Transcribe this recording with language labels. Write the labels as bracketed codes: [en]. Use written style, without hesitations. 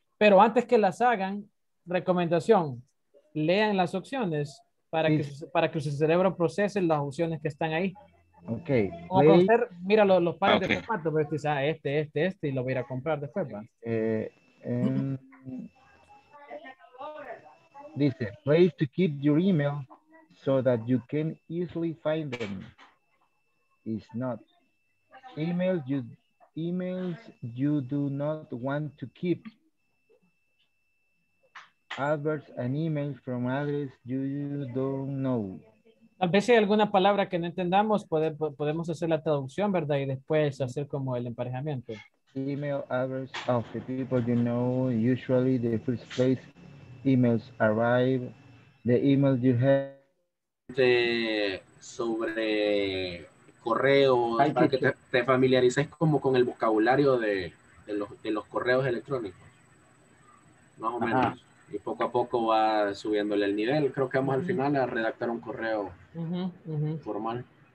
[es] Pero antes que las hagan, recomendación, lean las opciones para que su cerebro procese las opciones que están ahí. Ok. O conocer, mira los pares de zapatos, pero dices, este, y lo voy a ir a comprar después, ¿va? [en] Dice, ways to keep your email so that you can easily find them. It's not. Emails you do not want to keep. Adverts and emails from address you don't know. [es] Tal vez hay alguna palabra que no entendamos, podemos hacer la traducción, ¿verdad? Y después hacer como el emparejamiento. [en] Email address of the people you know, usually the first place emails arrive, the emails you have. [es] De, sobre correos, ay, para que te familiarices como con el vocabulario de los correos electrónicos, más o menos. Y poco a poco va subiéndole el nivel. Creo que vamos al final a redactar un correo formal.